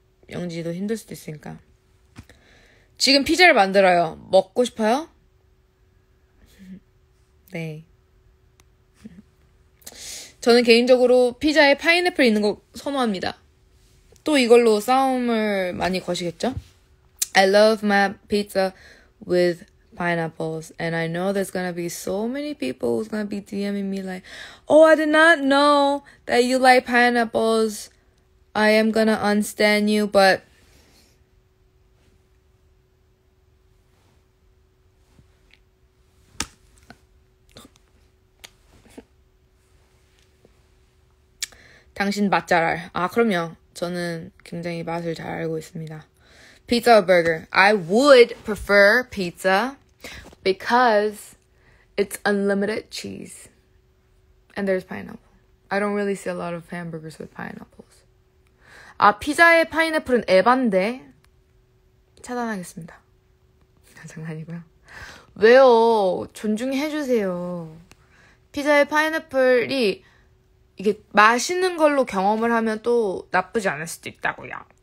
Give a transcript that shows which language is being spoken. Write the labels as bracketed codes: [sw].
[ko] 영지도 힘들 수도 있으니까. 지금 피자를 만들어요. 먹고 싶어요? 네. 저는 개인적으로 피자에 파인애플 있는 거 선호합니다. 또 이걸로 싸움을 많이 거시겠죠? [en] I love my pizza with pineapples. And I know there's gonna be so many people who's gonna be DMing me like, Oh, I did not know that you like pineapples. I am gonna unstan you, but. [ko] 당신 맛잘 알. 아, 그럼요. 저는 굉장히 맛을 잘 알고 있습니다. [en] Pizza or burger? I would prefer pizza because it's unlimited cheese. And there's pineapple. I don't really see a lot of hamburgers with pineapples. [ko] 아, 피자에 파인애플은 에반데? 차단하겠습니다. 장난이고요. 왜요? 존중해주세요. 피자에 파인애플이 이게 맛있는 걸로 경험을 하면 또 나쁘지 않을 수도 있다고요.